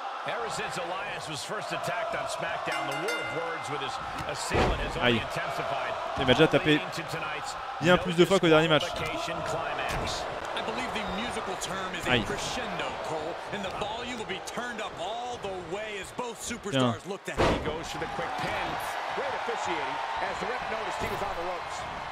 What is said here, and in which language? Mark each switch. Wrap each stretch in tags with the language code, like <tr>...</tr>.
<en>Ever since Elias was first attacked on SmackDown, the war of words with his assailant has only intensified.</en> <fr>Il m'a déjà tapé bien plus de fois qu'au dernier match.</fr> <en>I believe the musical term is a crescendo, Cole, and the volume will be turned up all the way as both superstars look to he goes for the quick pin. Great officiating as the ref noticed he was on the ropes.</en>